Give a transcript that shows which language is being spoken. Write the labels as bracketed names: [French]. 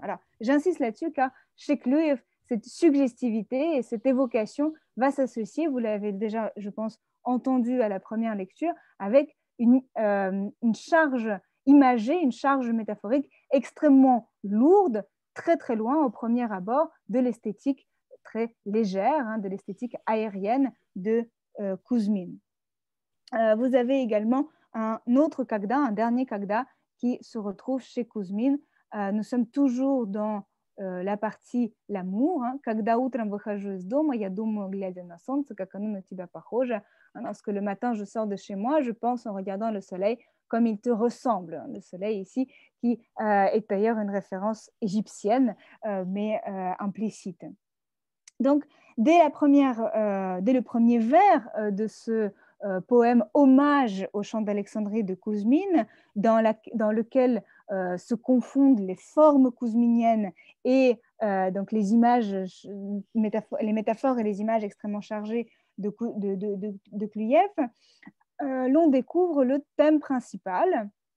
[French] Alors, j'insiste là-dessus car chez Kluyev, cette suggestivité et cette évocation va s'associer, vous l'avez déjà, je pense, entendu à la première lecture, avec une charge imagée, une charge métaphorique extrêmement lourde, très très loin au premier abord de l'esthétique très légère, hein, de l'esthétique aérienne de Kouzmine. Vous avez également un autre kagda, un dernier kagda qui se retrouve chez Kouzmine. Nous sommes toujours dans la partie l'amour. [Russian] Когда утром выхожу из дома, я думаю, глядя на солнце, как оно на тебя похоже. [French] Lorsque le matin je sors de chez moi, je pense en regardant le soleil comme il te ressemble. Le soleil ici qui est d'ailleurs une référence égyptienne, mais implicite. Donc, dès la première, dès le premier vers de ce poème hommage au chant d'Alexandrie de Kouzmine, dans lequel se confondent les formes kouzminiennes et donc les images, les métaphores et les images extrêmement chargées de Kluyev, l'on découvre le thème principal